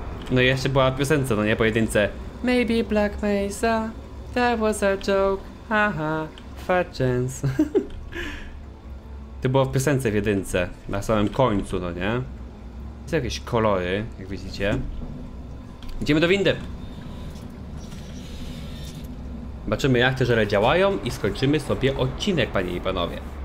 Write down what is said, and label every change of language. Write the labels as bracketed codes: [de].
[pl] No i jeszcze była piosenka, no nie, pojedynce. [en] Maybe Black Mesa, that was a joke, haha, fat chance. [pl] To było w piosence w jedynce, na samym końcu, no nie? Jest jakieś kolory, jak widzicie. Idziemy do windy. Zobaczymy, jak te żele działają i skończymy sobie odcinek, panie i panowie.